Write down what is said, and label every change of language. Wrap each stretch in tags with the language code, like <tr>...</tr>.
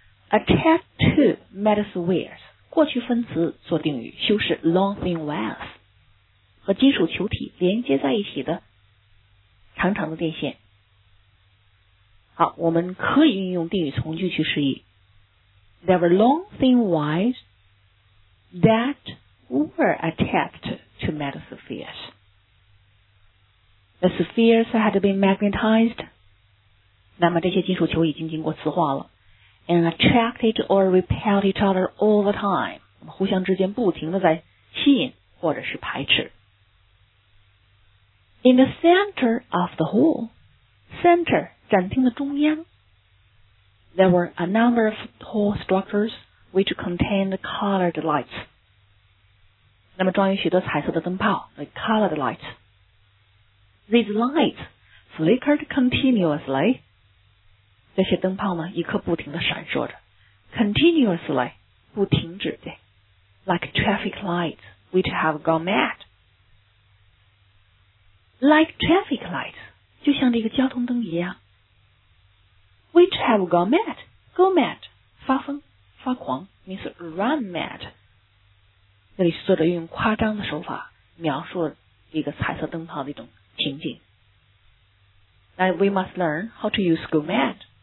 <en>Attached to metal spheres.</en> <zh>过去分词做定语修饰</zh> <en>long thin wires.</en> <zh>和金属球体连接在一起的长长的电线。好，我们可以运用定语从句去示意。</zh> <en>There were long thin wires that were attached to metal spheres. The spheres had been magnetized.</en> <zh>那么这些金属球已经经过磁化了。</zh> <en>And attracted or repelled each other all the time.</en> <zh>我们互相之间不停地在吸引或者是排斥。</zh> <en>In the center of the hall, center,</en> <zh>展厅的中央,</zh> <en>there were a number of tall structures which contained colored lights.</en> <zh>那么装有许多彩色的灯泡,</zh> <en>the colored lights. These lights flickered continuously.</en> <zh>这些灯泡呢，一刻不停地闪烁着。</zh> <en>Continuously,</en> <zh>不停止的。</zh> <en>Like traffic lights, which have gone mad. Like traffic lights,</en> <zh>就像这个交通灯一样。</zh> <en>Which have gone mad, go mad,</en> <zh>发疯、发狂</zh> <en>means run mad.</en> <zh>这里作者用夸张的手法描述一个彩色灯泡的一种情景。</zh> <en>Now we must learn how to use go mad.</en>